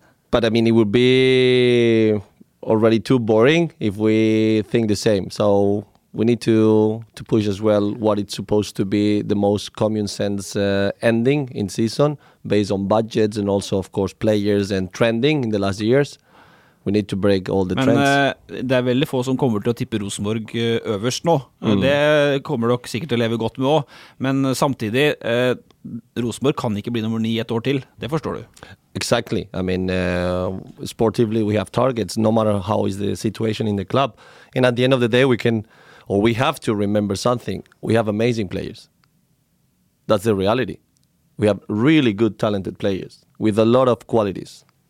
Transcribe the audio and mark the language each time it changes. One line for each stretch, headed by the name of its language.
English: But I mean, it would be already too boring if we think the same. So we need to push as well what it's supposed to be the most common sense ending in season based on budgets and also, of course, players and trending in the last years. We need to break all the
Norwegian: Men,
English: trends.
Norwegian: Men det veldig få som kommer til å tippe Rosenborg øverst nå. Det kommer dere sikkert til å leve godt med også. Men samtidig, Rosenborg kan ikke bli nummer 9 et år til. Det forstår du.
English: Exactly. I mean, sportively we have targets, no matter how is the situation in the club. And at the end of the day, we have to remember something. We have amazing players. That's the reality. We have really good talented players with a lot of qualities.